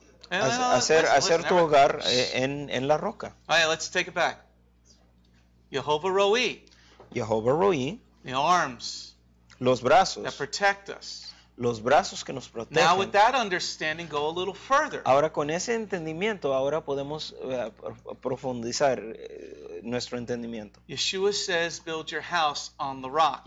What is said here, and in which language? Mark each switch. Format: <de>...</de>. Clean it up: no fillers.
<es>Hacer tu hogar en la roca.</es> <en>All right, let's take it back. Jehovah Roi. Jehovah Roi. The arms.</en> <es>Los brazos.</es> <en>That protect us.</en> <es>los brazos que nos protegen.</es> <en>Now with that understanding, go a little further.</en> <es>Ahora con ese entendimiento, ahora podemos profundizar nuestro entendimiento.</es> <en>Yeshua says, build your house on the rock.</en>